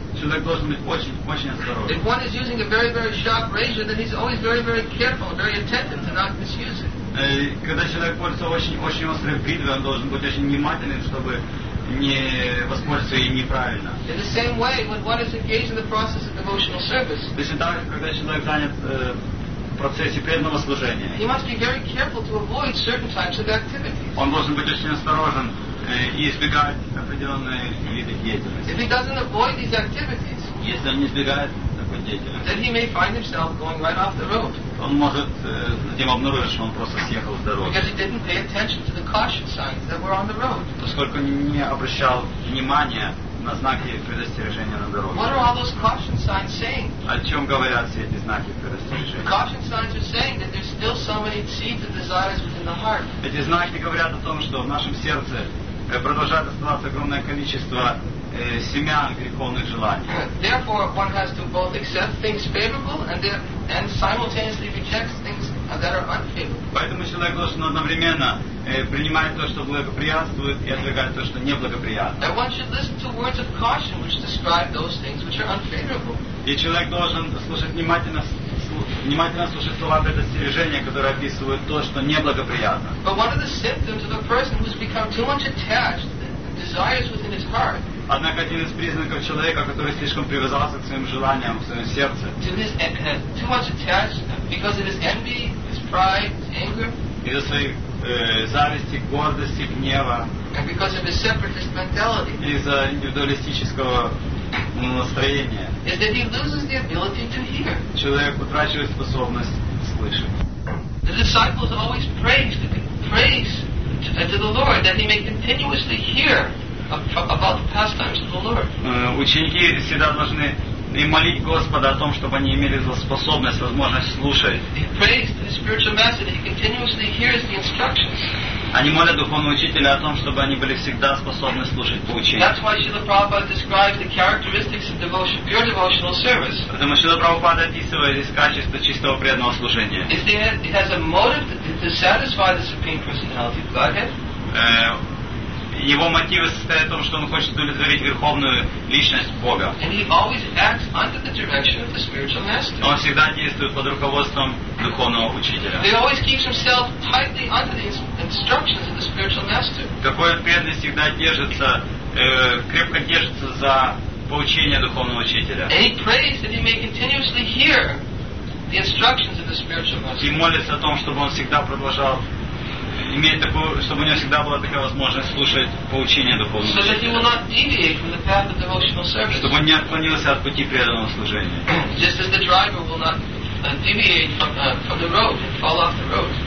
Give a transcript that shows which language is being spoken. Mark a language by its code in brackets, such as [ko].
[ru] Человек должен быть очень, очень осторожен. [en] If one is using a very, very sharp razor, then he's always very, very careful, very attentive to not misuse it. [ru] Когда человек пользуется очень, очень острой бритвой, он должен быть очень внимательным, чтобы не воспользоваться ей неправильно. [en] In the same way, when one is engaged in the process of devotional service. [ru] То есть так, когда человек занят в процессе преданного служения. [en] He must be very careful to avoid certain types of activities. [ru] Он должен быть очень осторожен и избегать определенные виды деятельности. [en] If he doesn't avoid these activities, [ru] если он не избегает такой деятельности, [en] then he may find himself going right off the road. [ru] Он может затем обнаружить, что он просто съехал с дороги. [en] Because he didn't pay attention to the caution signs that were on the road. [ru] Поскольку не обращал внимания на знаки предостережения на дороге. [en] What are all those caution signs saying? [ru] О чем говорят все эти знаки предостережения? [en] The caution signs are saying that there's still so many seeds of desires within the heart. [ru] Эти знаки говорят о том, что в нашем сердце продолжает оставаться огромное количество семян греховных желаний. [en] Therefore, one has to both accept things favorable and simultaneously reject things that are unfavorable. [ru] Поэтому человек должен одновременно принимать то, что благоприятствует, и отвергать то, что неблагоприятно. [en] And one should listen to words of caution which describe those things which are unfavorable. [ru] И человек должен слушать внимательно. Внимательно слушать слова предостережения, которые описывают то, что неблагоприятно. [en] But one of the symptoms of a person who's become too much attached to the desires within his heart. [ru] Однако один из признаков человека, который слишком привязался к своим желаниям в своем сердце. [en] To his too much attached because of his envy, his pride, his anger. [ru] Из-за своей зависти, гордости, гнева. [en] And because of his separatist mentality. [ru] Из-за индивидуалистического настроение. [en] Is that he loses the ability to hear. [ru] Человек утрачивает способность слышать. [en] The disciples always praise to the Lord that he may continuously hear about the pastimes of the Lord. [ru] Ученики всегда должны и молить Господа о том, чтобы они имели способность, возможность слушать. [en] He prays to the spiritual master that he continuously hears the instructions. [ru] Они молят духовного учителя о том, чтобы они были всегда способны слушать поучения. [en] That's why Śrīla Prabhupāda describes the characteristics of devotion, pure devotional service. [ru] Потому что Śrīla Prabhupāda описывает из качества чистого преданного служения. [en] It has a motive to satisfy the Supreme Personality of Godhead. [ru] Его мотивы состоят в том, что он хочет удовлетворить верховную личность Бога. [en] And he always acts under the direction of the spiritual master. [ru] Он всегда действует под руководством духовного учителя. [en] He always keeps himself tightly under the instructions of the spiritual master. [ru] Какой он преданный всегда держится, крепко держится за поучение духовного учителя. [en] And he prays that he may continuously hear the instructions of the spiritual master. [ru] И молится о том, чтобы он всегда продолжал иметь такую, чтобы у него всегда была такая возможность слушать поучения духовного. [en] So [ru] чтобы он не отклонился от пути преданного служения. [en] Just as the driver will not deviate from the road and fall off the road.